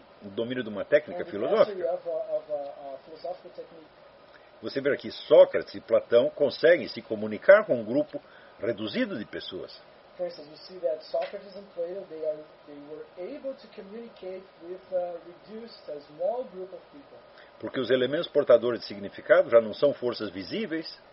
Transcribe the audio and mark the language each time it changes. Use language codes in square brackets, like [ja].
[pt] domínio de uma técnica filosófica. [en] Philosophical technique. [pt] Você vê aqui, Sócrates e Platão conseguem se comunicar com um grupo reduzido de pessoas. [en] For instance, you see that Socrates and Plato, they were able to communicate with a reduced, a small group of people. [pt] Porque os elementos portadores de significado já não são forças visíveis.